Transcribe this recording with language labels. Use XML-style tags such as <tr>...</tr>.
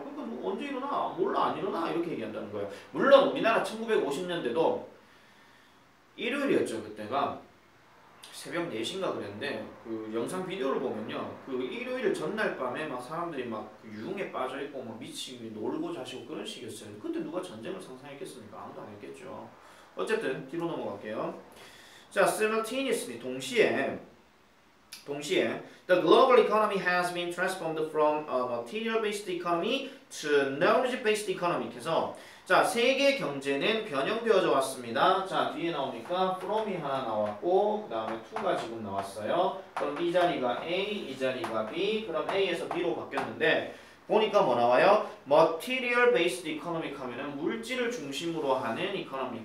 <ko>그러니까 뭐 언제 일어나? 몰라 안 일어나? 이렇게 얘기한다는 거예요. 물론 우리나라 1950년대도 일요일이었죠. 그때가 새벽 4시인가 그랬는데 그 영상 비디오를 보면요 그 일요일 전날 밤에 막 사람들이 막 유흥에 빠져있고 막 미치고 놀고 자시고 그런 식이었어요. 그때 누가 전쟁을 상상했겠습니까? 아무도 안 했겠죠. 어쨌든 뒤로 넘어갈게요.</ko> <en>자, simultaneously</en> <ko>동시에</ko> <en>the global economy has been transformed from a material based economy to knowledge based economy.</en> <ko>그래서 자, 세계 경제는 변형되어져 왔습니다. 자, 뒤에 나오니까 from이 하나 나왔고 그 다음에 to가 지금 나왔어요. 그럼 이 자리가 A, 이 자리가 B, 그럼 A에서 B로 바뀌었는데 보니까 뭐 나와요? Material based economy 하면은 물질을 중심으로 하는 economy.</ko>